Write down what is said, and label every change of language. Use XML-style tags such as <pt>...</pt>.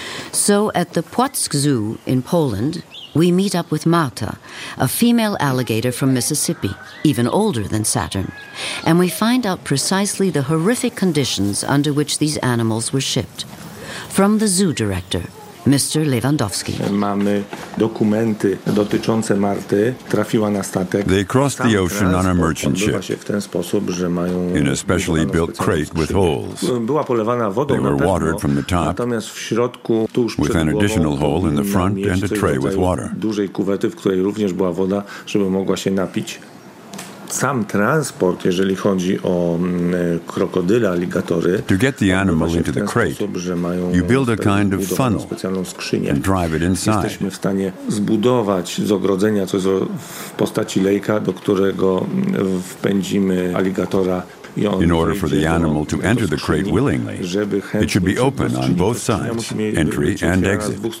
<en>So at the Płock Zoo in Poland, we meet up with Marta, a female alligator from Mississippi, even older than Saturn, and we find out precisely the horrific conditions under which these animals were shipped. From the zoo director, Mr. Lewandowski.</en> <pl>Mamy dokumenty dotyczące Marty. Trafiła na statek.</pl> <en>They crossed the ocean on a merchant ship in a specially built crate with holes.</en> <pl>Była polewana wodą.</pl> <en>They were watered from the top.</en> <pl>Natomiast w środku, tuż</pl> <en>with an additional hole in the front and a tray with water.</en> <pl>Dużej kuwety, w której również była woda, żeby mogła się napić. Sam transport, jeżeli chodzi o krokodyle, aligatory,</pl> <en>to get the animal into the crate, you build a kind of funnel and drive it inside.</en> <pl>Jesteśmy w stanie zbudować z ogrodzenia coś w postaci lejka, do którego wpędzimy aligatora.</pl> <en>In order for the animal to enter the crate willingly, it should be open on both sides, entry and exit.</en>